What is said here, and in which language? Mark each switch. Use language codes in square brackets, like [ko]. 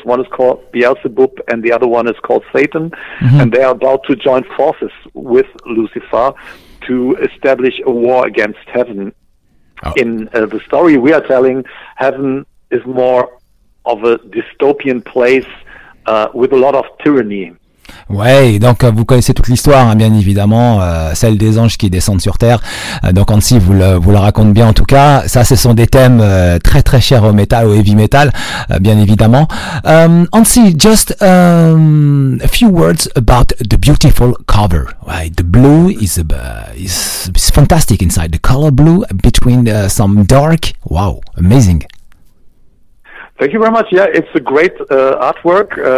[en] One is called Beelzebub and the other one is called Satan. Mm-hmm. And they are about to join forces with Lucifer to establish a war against heaven. Oh. In the story we are telling, heaven is more of a dystopian place with a lot of tyranny. [fr] Ouais, donc vous connaissez toute l'histoire, hein, bien évidemment, celle des anges qui descendent sur terre. Donc Ansi vous le raconte bien en tout cas. Ça, ce sont des thèmes très très chers au metal, au heavy metal, bien évidemment. [en] Ansi, just a few words about the beautiful cover. Right, the blue is fantastic inside. The color blue between some dark. Wow, amazing. Thank you very much. Yeah, it's a great artwork.